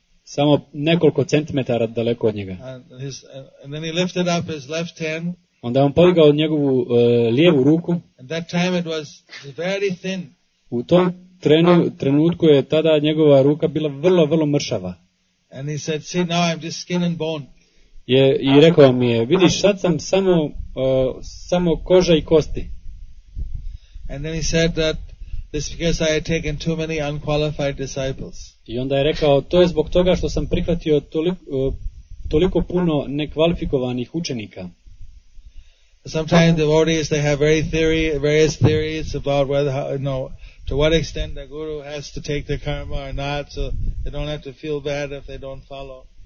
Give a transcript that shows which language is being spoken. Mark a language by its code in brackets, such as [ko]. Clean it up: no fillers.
[hr] Samo nekoliko centimetara daleko od njega. [en] And then he lifted up his left hand. [hr] Onda on podigao njegovu lijevu ruku. [en] At that time it was very thin. [hr] U tom trenutku je tada njegova ruka bila vrlo, vrlo mršava. [en] And he said, see, now I'm just skin and bone. [hr] Je, i rekao mi je, vidiš, sad sam samo, samo koža i kosti. [en] And then he said that this is because I had taken too many unqualified disciples. [hr] I onda je rekao, to je zbog toga što sam prihvatio toliko puno nekvalifikovanih učenika. [en] Sometimes the devotees, they have very theory, various theories about whether, how, you know, to what extent the guru has to take the karma or not, so they don't have to feel bad if they don't follow.